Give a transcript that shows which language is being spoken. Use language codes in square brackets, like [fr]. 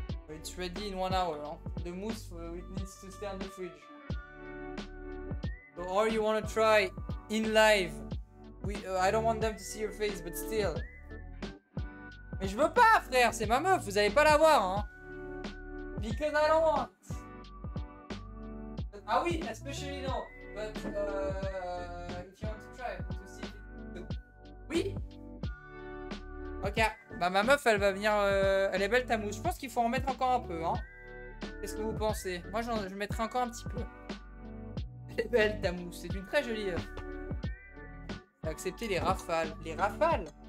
[en] It's ready in 1 hour. Hein? The mousse, it needs to stay in the fridge. But or you want to try in live? I don't want them to see your face, but still. [fr] Mais je veux pas, frère, c'est ma meuf, vous allez pas la voir, hein. [en] Because I don't want. [fr] Ah oui, [en] especially no. But if you want to try to see. [fr] Oui. Ok, bah ma meuf elle va venir. Elle est belle ta mousse. Je pense qu'il faut en mettre encore un peu, hein. Qu'est-ce que vous pensez? Moi je mettrai encore un petit peu. Elle est belle ta mousse, c'est une très jolie. Accepter les rafales. Les rafales?